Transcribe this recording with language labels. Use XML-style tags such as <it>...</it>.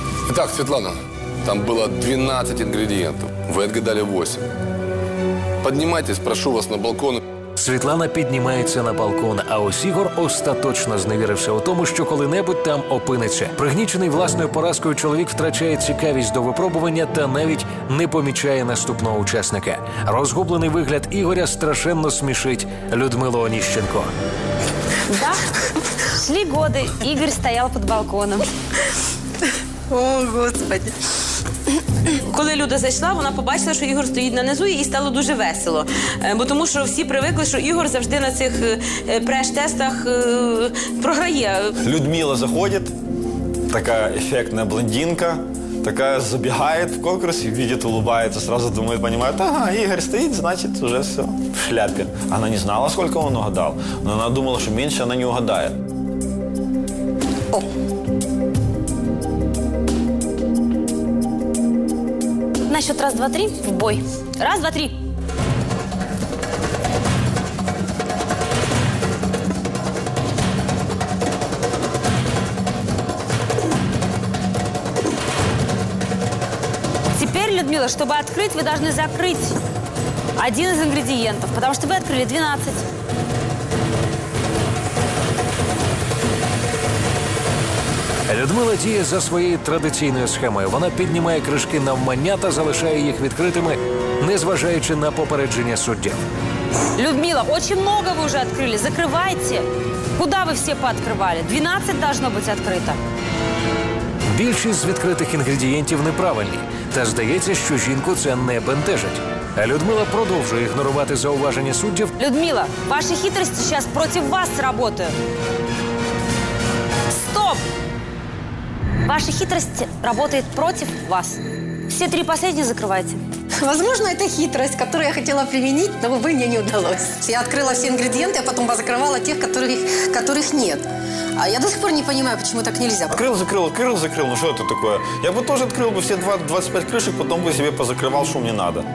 <ru>Итак, Светлана, там было 12 ингредиентов. Вы отгадали 8. Поднимайтесь, прошу вас, на балкон. Светлана поднимается на балкон,</ru> <uk>а ось Ігор остаточно зневірився у тому, що коли-небудь там опиниться. Пригнічений власною поразкою чоловік втрачає цікавість до випробування та навіть не помічає наступного учасника. Розгублений вигляд Ігоря страшенно смішить Людмилу Оніщенко.</uk> <ru>Да, шли годы,</ru> <uk>Ігор стояв під балконом. О, Господи. Коли Люда зайшла, вона побачила, що Ігор стоїть нанизу, і стало дуже весело. Бо тому що всі привикли, що Ігор завжди на цих преш-тестах програє. Людмила заходить, така ефектна блондинка.</uk> <ru>Такая забегает в конкурс, видит, улыбается, сразу думает, понимает, ага, Игорь стоит, значит, уже все в шляпе. Она не знала, сколько он угадал, но она думала, что меньше она не угадает. О. На счет раз, два, три, в бой. Раз, два, три. Людмила, чтобы открыть, вы должны закрыть один из ингредиентов, потому что вы открыли 12.</ru> <uk>Людмила діє за своєю традиційною схемою. Вона піднімає кришки на вмання та залишає їх відкритими, незважаючи на попередження судді.</uk> <ru>Людмила, очень много вы уже открыли. Закрывайте. Куда вы все пооткрывали? 12 должно быть открыто.</ru> <uk>Більшість з відкритих інгредієнтів неправильні. Та здається, що жінку це не бентежить. А Людмила продовжує ігнорувати зауваження суддів. Людмила, ваші хитрості зараз проти вас працюють. Стоп! Ваша хитрість працює проти вас. Всі три останні закривайте.</uk> <ru>Возможно, это хитрость, которую я хотела применить, но, увы, мне не удалось. Я открыла все ингредиенты, а потом закрывала тех, которых нет. А я до сих пор не понимаю, почему так нельзя. Открыл, закрыл, открыл, закрыл. Ну что это такое? Я бы тоже открыл бы все 25 крышек, потом бы себе позакрывал, что мне надо.</ru>